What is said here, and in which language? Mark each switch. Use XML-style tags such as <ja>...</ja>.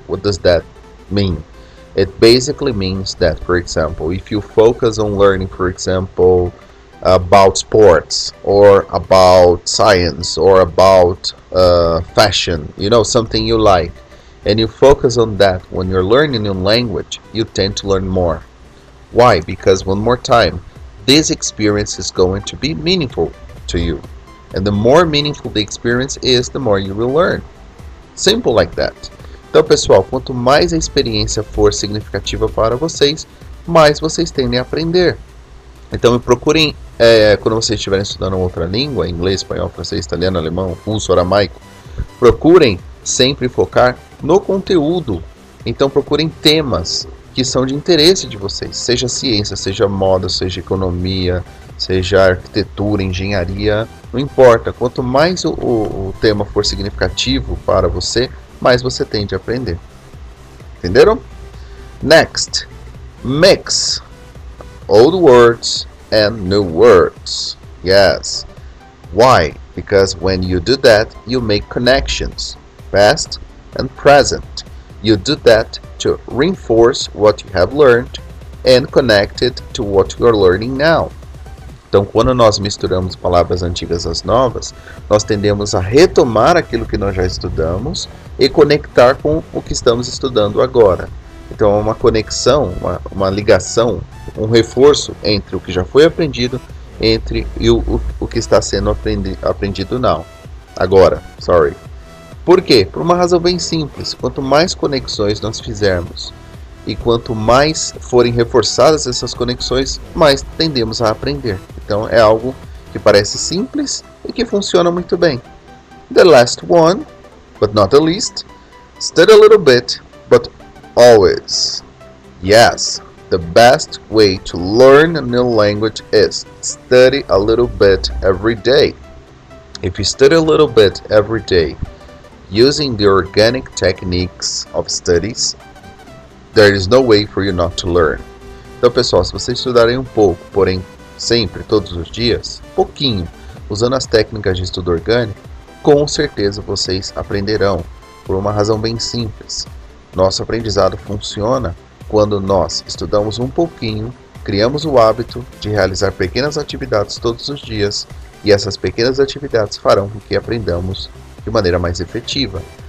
<en>What does that mean? It basically means that, for example, if you focus on learning, for example, about sports or about science or about fashion, you know, something you like, and you focus on that when you're learning a new language, you tend to learn more. Why? Because, one more time, this experience is going to be meaningful to you. And the more meaningful the experience is, the more you will learn. Simple like that.</en> <pt>Então, pessoal, quanto mais a experiência for significativa para vocês, mais vocês tendem a aprender. Então, procurem, quando vocês estiverem estudando outra língua, inglês, espanhol, francês, italiano, alemão, russo, aramaico, procurem sempre focar no conteúdo. Então, procurem temas que são de interesse de vocês, seja ciência, seja moda, seja economia, seja arquitetura, engenharia, não importa. Quanto mais o tema for significativo para você, mais você tende a aprender. Entenderam?</pt> <en>Next, mix old words and new words. Yes. Why? Because when you do that, you make connections, past and present. You do that to reinforce what you have learned and connect it to what you are learning now.</en> <pt>Então, quando nós misturamos palavras antigas às novas, nós tendemos a retomar aquilo que nós já estudamos e conectar com o que estamos estudando agora. Então, é uma conexão, uma ligação, um reforço entre o que já foi aprendido entre o que está sendo aprendido</pt> <en>now.</en> <pt>Agora.</pt> <en>Sorry.</en> <pt>Por quê? Por uma razão bem simples. Quanto mais conexões nós fizermos e quanto mais forem reforçadas essas conexões, mais tendemos a aprender. Então, é algo que parece simples e que funciona muito bem.</pt> <en>The last one, but not the least, study a little bit, but always. Yes, the best way to learn a new language is study a little bit every day. If you study a little bit every day using the organic techniques of studies, there is no way for you not to learn.</en> <pt>Então, pessoal, se vocês estudarem um pouco, porém sempre, todos os dias, pouquinho, usando as técnicas de estudo orgânico, com certeza vocês aprenderão, por uma razão bem simples. Nosso aprendizado funciona quando nós estudamos um pouquinho, criamos o hábito de realizar pequenas atividades todos os dias, e essas pequenas atividades farão com que aprendamos de maneira mais efetiva.</pt>